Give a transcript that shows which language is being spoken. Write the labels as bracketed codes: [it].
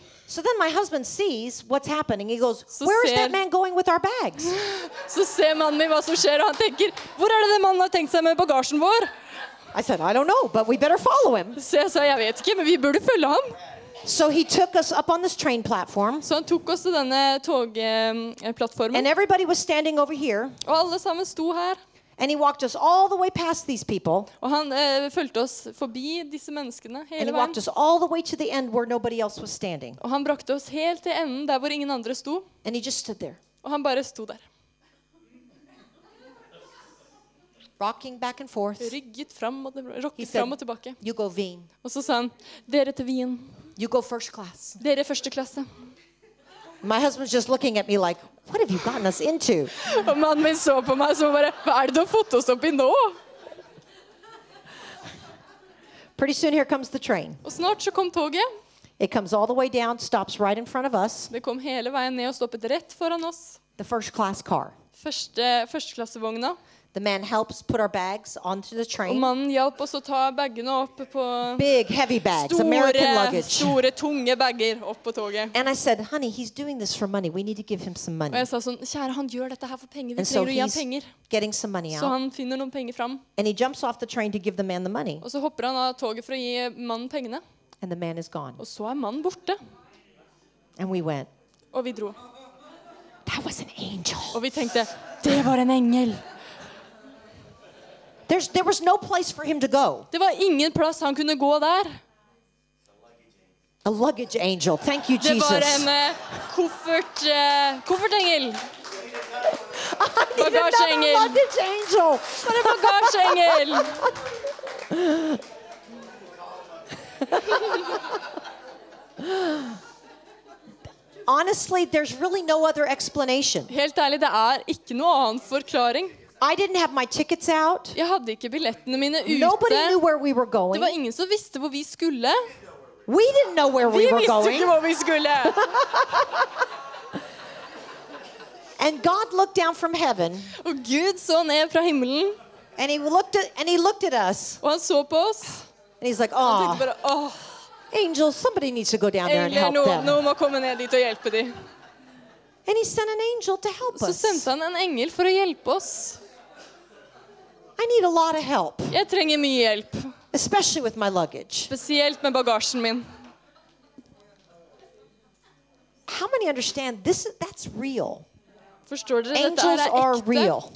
[en] So then my husband sees what's happening. He goes, where is that man going with our bags? [no] Så ser mannen min hva som skjer, og han tenker, hvor det mannen har tenkt seg med bagasjen vår? [en] I said, I don't know, but we better follow him. [no] Så jeg sa, jeg vet ikke, men vi burde følge ham. [en] So he took us up on this train platform. [no] Så han tok oss til denne togplattformen. [en] And everybody was standing over here. [no] Og alle sammen sto her. [en] And he walked us all the way past these people. [no] Og han fulgte oss forbi disse menneskene hele veien. [en] And he walked us all the way to the end where nobody else was standing. [no] Og han brakte oss helt til enden der hvor ingen andre sto. [en] And he just stood there. [no] Og han bare sto der. [en] Rocking back and forth. [no] Rygget fram og rokket fram og tilbake. [en] You go Wien. [no] Og så sa han, dere til Wien. [en] You go first class. [no] Dere første klasse. [en] My husband's just looking at me like, what have you gotten us into? [no] Og mannen min så på meg som bare, hva det du har fått oss opp I nå? [en] Pretty soon here comes the train. [no] Og snart så kom toget. [en] It comes all the way down, stops right in front of us. [no] Det kom hele veien ned og stoppet rett foran oss. [en] The first class car. [no] Førsteklassevogna. [en] The man helps put our bags onto the train. [no] Og mannen hjalp oss å ta bagene opp på... [en] Big, heavy bags, American luggage. [no] Store, tunge bager opp på toget. [en] And I said, honey, he's doing this for money. We need to give him some money. [no] Og jeg sa sånn, kjære, han gjør dette her for penger. Vi trenger å gi ham penger. [en] Getting some money out. [no] Så han finner noen penger fram. [en] And he jumps off the train to give the man the money. [no] Og så hopper han av toget for å gi mannen pengene. [en] And the man is gone. [no] Og så mannen borte. [en] And we went. [no] Og vi dro. [en] That was an angel. [no] Og vi tenkte, det var en engel. [en] There was no place for him to go. [no] Det var ingen plass han kunne gå der. [en] A luggage angel. Thank you, Jesus. [no] Det var en koffertengel. Bagasjeengel. [en] Luggage angel. [no] Var en bagasjeengel. [en] Honestly, there's really no other explanation. [no] Helt ærlig, det ikke noe annen forklaring. [en] I didn't have my tickets out. [no] Jeg hadde ikke billettene mine ute. [en] Nobody knew where we were going. [no] Det var ingen som visste hvor vi skulle. [en] We didn't know where we were going. [no] Vi visste ikke hvor vi skulle. [en] And God looked down from heaven. [no] Og Gud så ned fra himmelen. [en] And he looked at us. [no] Og han så på oss. [en] And he's like, "Oh." [no] Han tenkte bare, "Oh." [en] Angels, somebody needs to go down there and help them. [no] Eller noen må komme ned dit og hjelpe dem. [en] And he sent an angel to help us. [no] Så sendte han en engel for å hjelpe oss. [en] I need a lot of help. [no] Jeg trenger mye hjelp. [en] Especially with my luggage. [no] Spesielt med bagasjen min. [en] How many understand this? That's real. [no] Forstår dere, dette er ekte.